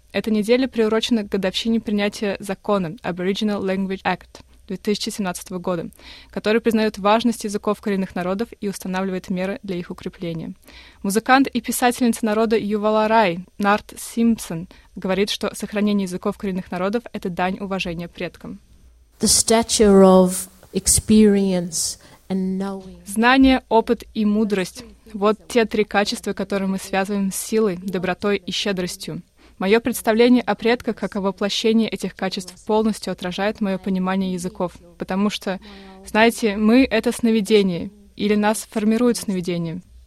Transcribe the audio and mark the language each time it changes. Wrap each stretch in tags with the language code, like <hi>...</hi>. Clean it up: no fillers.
<ru>Эта неделя приурочена к годовщине принятия закона Aboriginal Language Act 2017 года, который признает важность языков коренных народов и устанавливает меры для их укрепления. Музыкант и писательница народа Ювалорай Нарт Симпсон говорит, что сохранение языков коренных народов – это дань уважения предкам.</ru> <en>The stature of experience and knowing.</en> <ru>Знание, опыт и мудрость – вот те три качества, которые мы связываем с силой, добротой и щедростью. Мое представление о предках, как о воплощении этих качеств, полностью отражает мое понимание языков. Потому что, знаете, мы — это сновидение, или нас формирует сновидение.</ru>